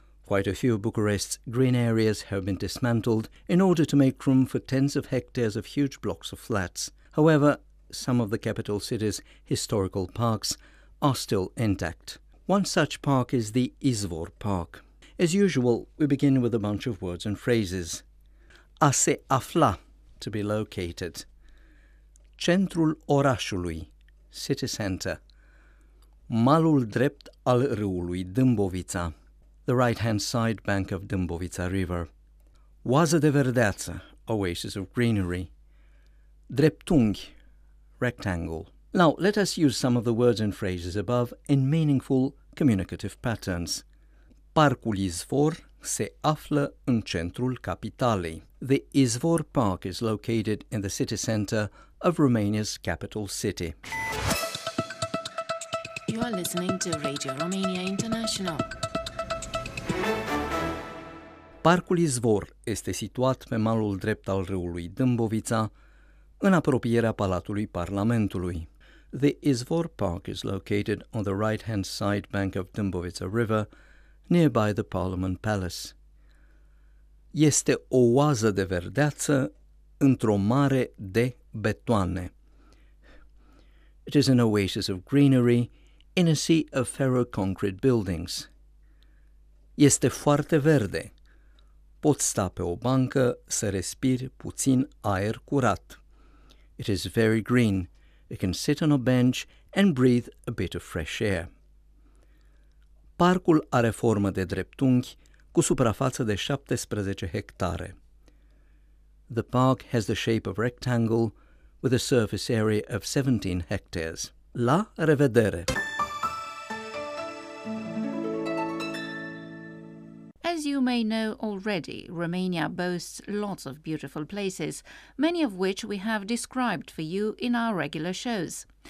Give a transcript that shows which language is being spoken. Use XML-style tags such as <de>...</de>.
<en>Quite a few of Bucharest's green areas have been dismantled in order to make room for tens of hectares of huge blocks of flats. However, some of the capital city's historical parks are still intact. One such park is the Izvor Park. As usual, we begin with a bunch of words and phrases.</en> <ro>A se afla,</ro> <en>to be located.</en> <ro>Centrul orașului,</ro> <en>city center.</en> <ro>Malul drept al râului Dâmbovița,</ro> <en>the right-hand side bank of Dâmbovița River.</en> <ro>Oază de verdeață,</ro> <en>oasis of greenery.</en> <ro>Dreptunghi, rectangle.</ro> <en>Now, let us use some of the words and phrases above in meaningful communicative patterns.</en> <ro>Parcul Izvor se află în centrul capitalei.</ro> <en>The Izvor Park is located in the city center of Romania's capital city. You are listening to Radio Romania International.</en> <ro>Parcul Izvor este situat pe malul drept al râului Dâmbovița, în apropierea Palatului Parlamentului.</ro> <en>The Izvor Park is located on the right-hand side bank of Dâmbovița River, nearby the Parliament Palace.</en> <ro>Este o oază de verdeață într-o mare de betoane. It is an oasis of greenery in a sea of ferro-concrete buildings. Este foarte verde. Poți sta pe o bancă să respiri puțin aer curat.</ro> <en>It is very green. You can sit on a bench and breathe a bit of fresh air.</en> <ro>Parcul are formă de dreptunghi cu suprafață de 17 hectare.</ro> <en>The park has the shape of rectangle with a surface area of 17 hectares.</en> <ro>La revedere!</ro> <en>As you may know already, Romania boasts lots of beautiful places, many of which we have described for you in our regular shows.</en>